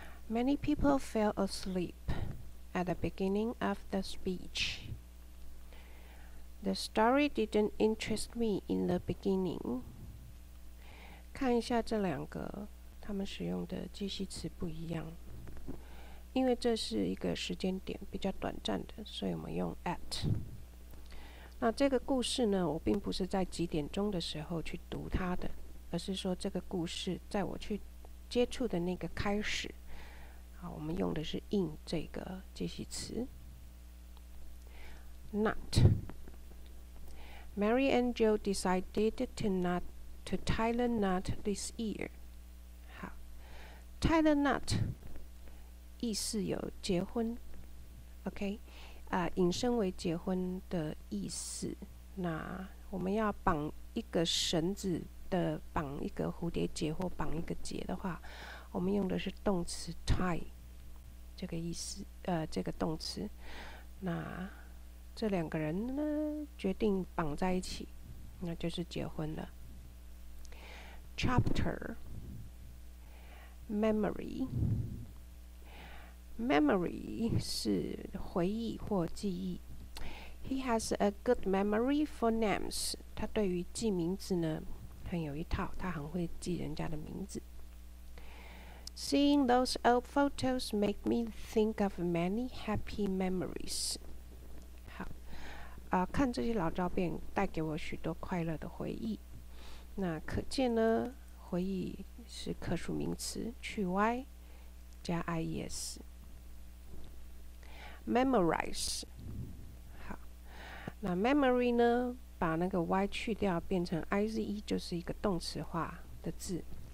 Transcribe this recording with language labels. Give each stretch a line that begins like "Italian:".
English: Many people fell asleep at the beginning of the speech. The story didn't interest me in the beginning.
Chinese: 看一下这两个，他们使用的介系词不一样。因为这是一个时间点比较短暂的，所以我们用 at。那这个故事呢，我并不是在几点钟的时候去读它的，而是说这个故事在我去接触的那个开始。好，我们用的是 in 这个介系词。
English: Not. Mary and Joe decided to tie the knot this year.
Chinese: 好， tie the knot意思有结婚 ，OK， 啊，引申为结婚的意思。那我们要绑一个绳子的，绑一个蝴蝶结或绑一个结的话，我们用的是动词 tie 这个意思，这个动词。那这两个人呢，决定绑在一起，那就是结婚了。
English: Chapter memory。
Chinese: Memory 是回忆或记忆。
English: He has a good memory for names.
Chinese: 他对于记名字呢，很有一套，他很会记人家的名字。
English: Seeing those old photos make me think of many happy memories.
Chinese: 好，看这些老照片带给我许多快乐的回忆。那可见呢，回忆是可数名词，去 y 加 ies。 Memorize， 好，那 memory 呢，把那个 y 去掉变成 ize， 就是一个动词化的字。